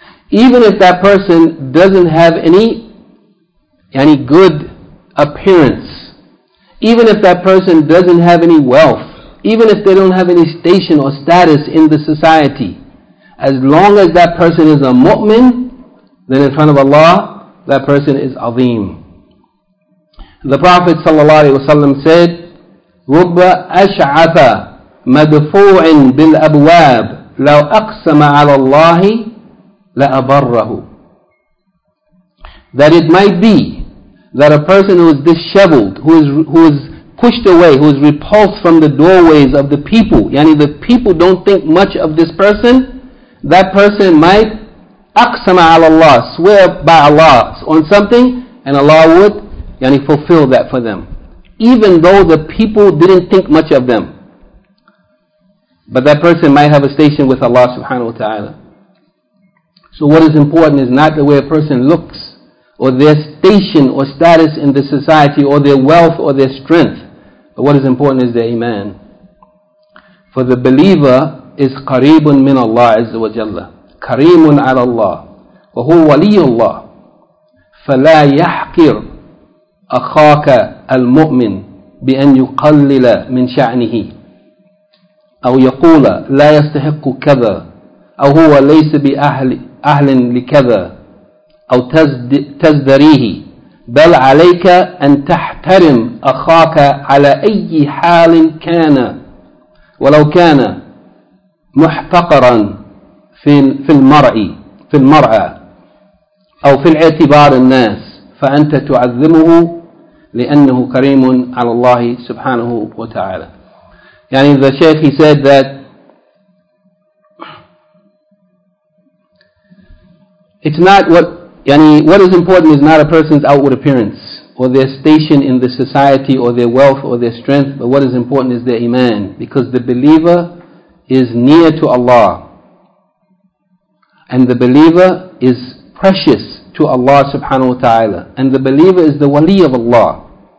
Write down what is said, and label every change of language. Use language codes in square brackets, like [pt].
[en] Even if that person doesn't have any good appearance, even if that person doesn't have any wealth, even if they don't have any station or status in the society, as long as that person is a mu'min, then in front of Allah, that person is azim. The Prophet ﷺ said, [ar] رُبَّ أَشْعَثَ مَدْفُوعٍ بِالْأَبْوَابِ لَوْ أَقْسَمَ عَلَى اللَّهِ لَأَبَرَّهُ. [en] That it might be that a person who is disheveled, who is pushed away, who is repulsed from the doorways of the people, yani the people don't think much of this person, that person might [ar] أَقْسَمَ عَلَى اللَّهِ, [en] swear by Allah on something, and Allah would fulfill that for them. Even though the people didn't think much of them, but that person might have a station with Allah subhanahu wa ta'ala. So what is important is not the way a person looks, or their station or status in the society, or their wealth or their strength, but what is important is their iman. For the believer is [ar] qareebun min Allah azza wa jalla, qareemun ala Allah, wa huwa waliyullah, fala yahqir أَخَاكَ الْمُؤْمِنْ بِأَنْ يُقَلِّلَ مِنْ شَعْنِهِ أَوْ يَقُولَ لَا يَسْتَحِقُّ كَذَا أَوْ هُوَ لَيْسَ بِأَهْلٍ لِكَذَا أَوْ تَزْدَرِيهِ بَلْ عَلَيْكَ أَنْ تَحْتَرِمْ أَخَاكَ عَلَى أَيِّ حَالٍ كَانَ وَلَوْ كَانَ مُحْتَقَرًا فِي الْمَرْأَى أَوْ فِي الْاعْتِبَارِ النَّاسِ فَأَنْتَ تُعَذِّمُهُ لِأَنَّهُ كَرِيمٌ عَلَى اللَّهِ سُبْحَانَهُ وَتَعَالَى. [en] The Shaykh, he said that it's not what is important is not a person's outward appearance or their station in the society or their wealth or their strength, but what is important is their iman, because the believer is near to Allah and the believer is precious to Allah subhanahu wa ta'ala, and the believer is the wali of Allah.